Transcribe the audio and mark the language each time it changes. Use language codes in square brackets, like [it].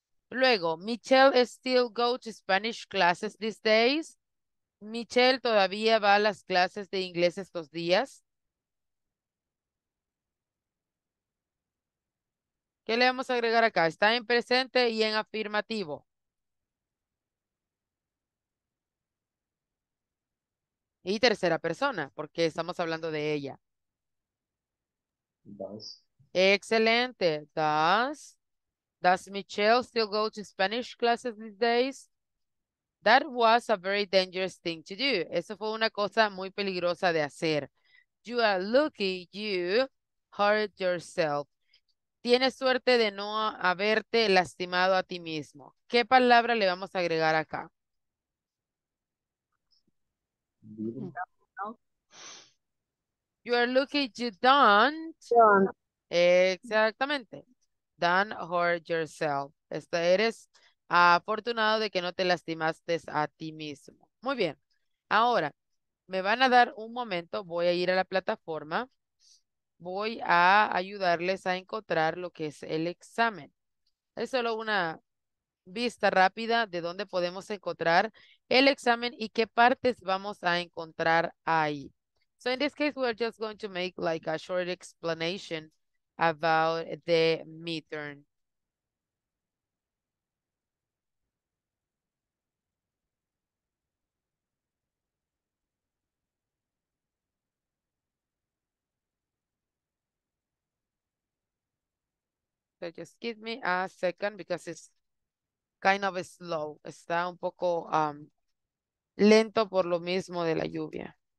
[es] Luego, [en] Michelle still go to Spanish classes these days. [es] Michelle todavía va a las clases de inglés estos días. ¿Qué le vamos a agregar acá? Está en presente y en afirmativo. Y tercera persona, porque estamos hablando de ella. [en] Does. [es] Excelente. [en] Does Michelle still go to Spanish classes these days? That was a very dangerous thing to do. [es] Eso fue una cosa muy peligrosa de hacer. [en] You are lucky you hurt yourself. [es] Tienes suerte de no haberte lastimado a ti mismo. ¿Qué palabra le vamos a agregar acá? [en] You are lucky you don't. [es] Exactamente. [en] Don't hurt yourself. [es] Eres afortunado de que no te lastimaste a ti mismo. Muy bien. Ahora, me van a dar un momento. Voy a ir a la plataforma. Voy a ayudarles a encontrar lo que es el examen. Es solo una vista rápida de dónde podemos encontrar el examen y qué partes vamos a encontrar ahí. [en] So in this case, we're just going to make like a short explanation about the midterm. So just give me a second because it's kind of slow. [es] Está un poco lento por lo mismo de la lluvia.